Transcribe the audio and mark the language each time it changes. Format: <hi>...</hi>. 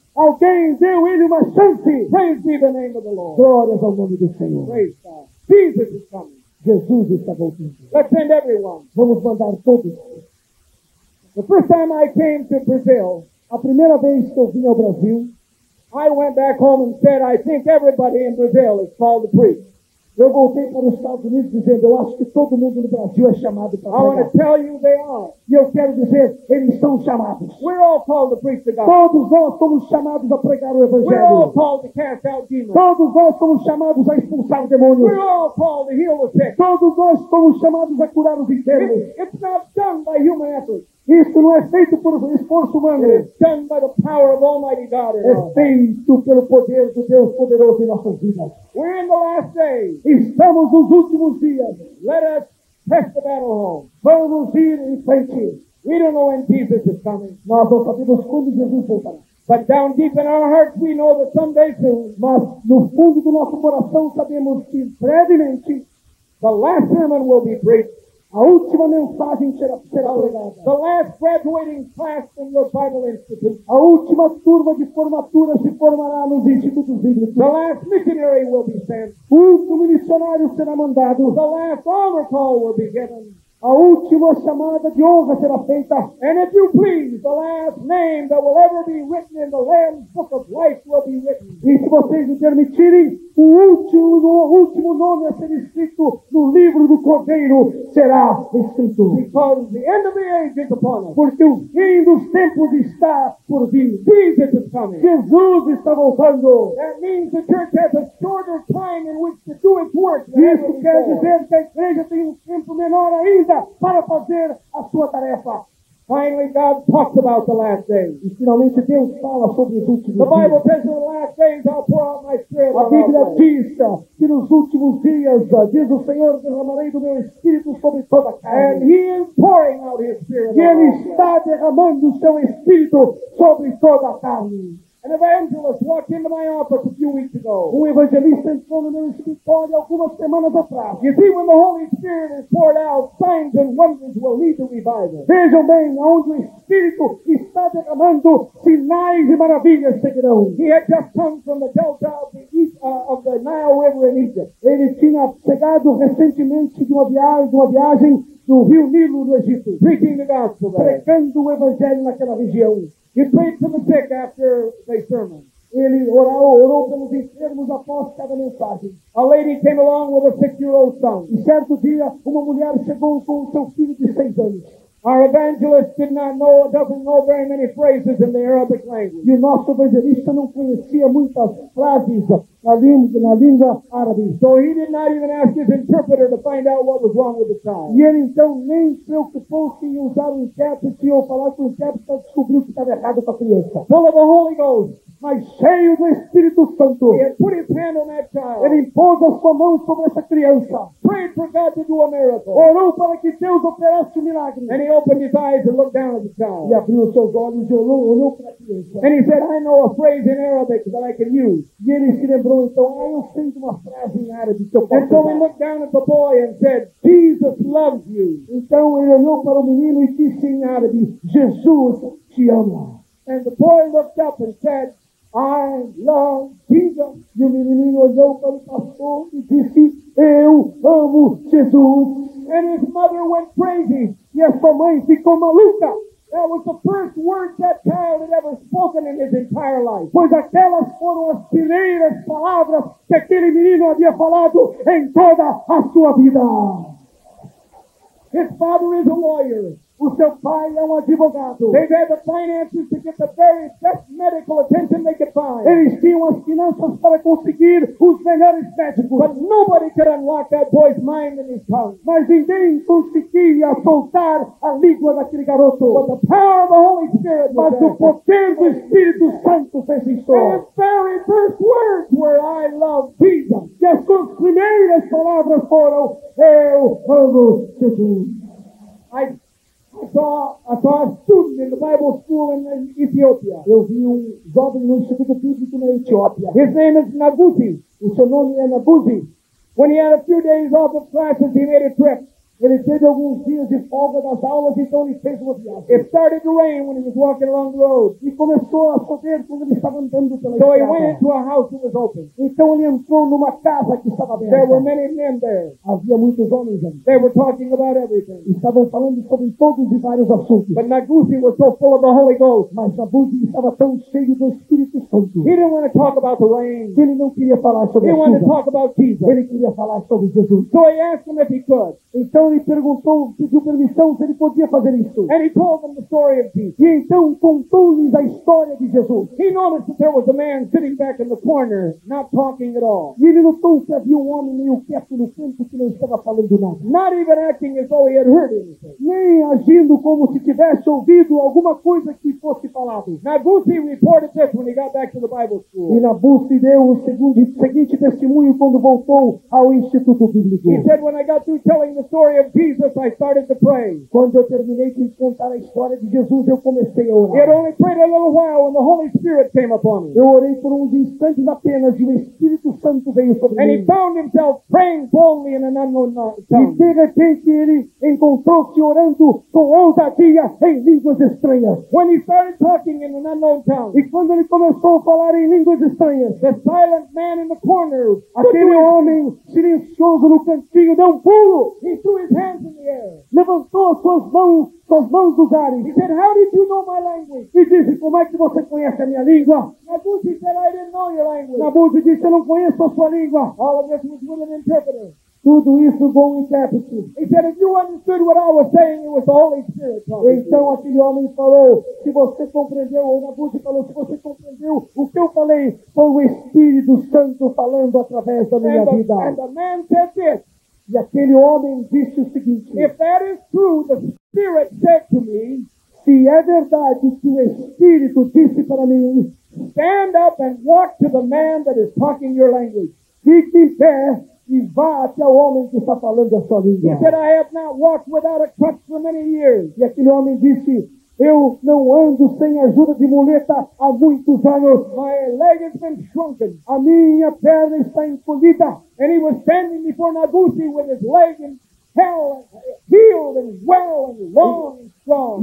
<pt>Alguém deu ele uma chance.</pt> <en>Praise be the name of the Lord.</en> <pt>Glórias ao nome do Senhor.</pt> <en>Praise God. Jesus is coming.</en> <pt>Jesus está voltando.</pt> <en>Let's send everyone.</en> <pt>Vamos mandar todos.</pt> <en>The first time I came to Brazil,</en> <pt>a primeira vez que eu vim ao Brasil,</pt> <en>I went back home and said, I think everybody in Brazil is called to preach.</en> <pt>Eu voltei para os Estados Unidos dizendo, eu acho que todo mundo no Brasil é chamado para pregar.</pt> <en>I want to tell you they are.</en> <pt>E eu quero dizer, eles são chamados.</pt> <en>We're all called to preach the gospel.</en> <pt>Todos nós somos chamados a pregar o evangelho.</pt> <en>We're all called to cast out demons.</en> <pt>Todos nós somos chamados a expulsar demônios.</pt> <en>We're all called to heal the sick.</en> <pt>Todos nós somos chamados a curar os enfermos.</pt> <en>It's not done by human effort.</en> <pt>Isso não é feito por esforço humano.</pt> <en>It's done by the power of Almighty God.</en> <pt>É feito pelo poder do Deus poderoso em nossas vidas.</pt> <en>We're in the last days.</en> <pt>Estamos nos últimos dias.</pt> <en>Let us press the battle home.</en> <pt>Vamos ir em frente.</pt> <en>We don't know when Jesus is coming.</en> <pt>Nós não sabemos quando Jesus voltará.</pt> <en>But down deep in our hearts, we know that someday soon.</en> <pt>Mas no fundo do nosso coração sabemos que brevemente,</pt> <en>the last sermon will be preached.</en> <pt>A última mensagem será pregada.</pt> <en>The last graduating class in your Bible Institute.</en> <pt>A última turma de formatura se formará nos institutos bíblicos.</pt> <en>The last missionary will be sent.</en> <pt>O último missionário será mandado.</pt> <en>The last honor call will be given.</en> <pt>A última chamada de honra será feita.</pt> <en>And if you please, the last name that will ever be written in the Lamb's Book of Life will be written.</en> <pt>E se vocês me permitirem, o último nome a ser escrito no livro do Cordeiro será escrito.</pt> <en>Because the end of the age is upon us.</en> <pt>Porque o fim dos tempos está por vir.</pt> <en>Jesus is coming.</en> <pt>Jesus está voltando.</pt> <en>That means the church has a shorter time in which to do its work.</en> <pt>Isso quer dizer que a igreja tem tempo menor ainda para fazer a sua tarefa.</pt> <en>Finally, God talks about the last days.</en> <pt>E finalmente Deus fala sobre os últimos dias.</pt> <en>The Bible says in the last days I'll pour out my spirit.</en> <pt>A Bíblia diz que nos últimos dias, diz o Senhor, derramarei do meu espírito sobre toda carne.</pt> <en>And he is pouring out his spirit.</en> <pt>E ele está derramando o seu espírito sobre toda carne.</pt> <en>An evangelist walked into my office a few weeks ago.</en> <pt>Um evangelista entrou no meu escritório algumas semanas atrás.</pt> <en>You see, when the Holy Spirit is poured out, signs and wonders will lead to revival.</en> <pt>Vejam bem, onde o Espírito está derramando, sinais e maravilhas seguirão.</pt> <en>He had just come from the delta of the Nile River in Egypt.</en> <pt>Ele tinha chegado recentemente de uma viagem do Rio Nilo no Egito.</pt> <en>Preaching the gospel there.</en> <pt>Pregando o evangelho naquela região.</pt> <en>He prayed for the sick after the sermon.</en> <pt>Ele orou pelos enfermos após cada mensagem.</pt> <en>A lady came along with a 6-year-old son.</en> <pt>E certo dia, uma mulher chegou com seu filho de 6 anos.</pt> <en>Our evangelist did not know, doesn't know very many phrases in the Arabic language.</en> <pt>E o nosso evangelista não conhecia muitas frases na língua árabe.</pt> <en>So he did not even ask his interpreter to find out what was wrong with the child.</en> <pt>E ele então nem se preocupou se ia usar o intérprete ou falar com o intérprete para descobrir o que estava errado com a criança.</pt> <en>Full of the Holy Ghost.</en> <pt>Mas cheio do Espírito Santo.</pt> <en>He had put his hand on that child.</en> <pt>Ele impôs a sua mão sobre essa criança.</pt> <en>Prayed for God to do a miracle.</en> <pt>Orou para que Deus operasse um milagre.</pt> <en>And he opened his eyes and looked down at the child.</en> <pt>E abriu os seus olhos e olhou para a criança.</pt> <en>And he said, I know a phrase in Arabic that I can use.</en> <pt>E ele se lembrou, então, eu sei de uma frase em árabe que eu posso usar.</pt> <en>And so he looked down at the boy and said, Jesus loves you.</en> <pt>Então ele olhou para o menino e disse em árabe, Jesus te ama.</pt> <en>And the boy looked up and said, I love Jesus.</en> <pt>E o menininho olhou para o pastor e disse, eu amo Jesus.</pt> <en>And his mother went crazy. Yes,</en> <pt>a mãe ficou maluca.</pt> <en>That was the first word that child had ever spoken in his entire life.</en> <pt>Pois aquelas foram as primeiras palavras que aquele menino havia falado em toda a sua vida.</pt> <en>His father is a lawyer.</en> <pt>O seu pai é um advogado.</pt> <en>They've had the finances to get the very best medical attention they could find.</en> <pt>Eles tinham as finanças para conseguir os melhores médicos.</pt> <en>But nobody could unlock that boy's mind and his tongue.</en> <pt>Mas ninguém conseguia soltar a língua daquele garoto.</pt> <en>But the power of the Holy Spirit.</en> <pt>Mas o poder do Espírito Santo fez isso.</pt> <en>And his very first words were, I love Jesus.</en> <pt>E as suas primeiras palavras foram, eu amo Jesus.</pt> <en>I saw a student in the Bible school in Ethiopia.</en> <pt>Eu vi um jovem no instituto bíblico na Etiópia.</pt> <en>His name is Nabuzi.</en> <pt>O seu nome é Nabuzi.</pt> <en>When he had a few days off of classes, he made a trip.</en> <pt>Ele teve alguns dias de folga das aulas, então ele fez uma viagem.</pt> <en>It started to rain when he was walking along the road.</en> <pt>E começou a chover quando ele estava andando pela estrada.</pt> <en>So he went into a house that was open.</en> <pt>Então ele entrou numa casa que estava aberta.</pt> <en>There were many men there.</en> <pt>Havia muitos homens ali.</pt> <en>They were talking about everything.</en> <pt>Estavam falando sobre todos e vários assuntos.</pt> <en>But Nabuzi was so full of the Holy Ghost.</en> <pt>Mas Nabuzi estava tão cheio do Espírito Santo.</pt> <en>He didn't want to talk about the rain.</en> <pt>Ele não queria falar sobre a chuva.</pt> <en>He wanted to talk about Jesus.</en> <pt>Ele queria falar sobre Jesus.</pt> <en>So he asked him if he could.</en> <pt>Então ele perguntou, pediu permissão se ele podia fazer isso.</pt> <en>And he told them the story of Jesus.</en> <pt>E então contou-lhes a história de Jesus.</pt> <en>He noticed that there was a man sitting back in the corner, not talking at all.</en> <pt>E ele notou que havia um homem meio quieto no canto que não estava falando nada.</pt> <en>Not even acting as though he had heard anything.</en> <pt>Nem agindo como se tivesse ouvido alguma coisa que fosse falado.</pt> <en>Nabuzi reported this when he got back to the Bible school.</en> <pt>E Nabuzi deu o seguinte testemunho quando voltou ao Instituto Bíblico.</pt> <en>He said, when I got through telling the story of Jesus, I started to pray.</en> <pt>Quando eu terminei de contar a história de Jesus, eu comecei a orar.</pt> <en>I only prayed a little while when the Holy Spirit came upon me.</en> <pt>Eu orei por uns instantes apenas e o Espírito Santo veio sobre mim.</pt> <en>And he found himself praying boldly in an unknown tongue.</en> <pt>E de repente ele encontrou-se orando com ousadia em línguas estranhas.</pt> <en>When he started talking in an unknown tongue.</en> <pt>E quando ele começou a falar em línguas estranhas.</pt> <en>The silent man in the corner.</en> <pt>Aquele homem silencioso no cantinho deu um pulo.</pt> <en>His hands in the air.</en> <pt>Levantou suas mãos dos ares.</pt> <en>He said, how did you know my language?</en> <pt>E disse, como é que você conhece a minha língua?</pt> <en>Nabuzi said, I didn't know your language.</en> <pt>Nabuzi disse, eu não conheço a sua língua.</pt> <en>All of this was with an interpreter.</en> <pt>Tudo isso com um intérprete.</pt> <en>He said, if you understood what I was saying, it was the Holy Spirit talking.</en> <pt>Então aquele homem falou, se você compreendeu, ou Nabuzi falou, se você compreendeu o que eu falei, foi o Espírito Santo falando através da minha vida.</pt> <en>And the man said this.</en> <pt>E aquele homem disse o seguinte:</pt> <en>if that is true, the Spirit said to me,</en> <pt>se é verdade que o Espírito disse para mim,</pt> <en>stand up and walk to the man that is talking your language.</en> <pt>Fique em pé e vá até o homem que está falando a sua língua.</pt> <en>He said, I have not walked without a crutch for many years.</en> <pt>E aquele homem disse: eu não ando sem ajuda de muleta há muitos anos.</pt> <en>My leg has been shrunken.</en> <pt>A minha perna está encolhida.</pt> <en>And he was standing before Nabuzi with his leg in hell and healed and well and long and strong.</en>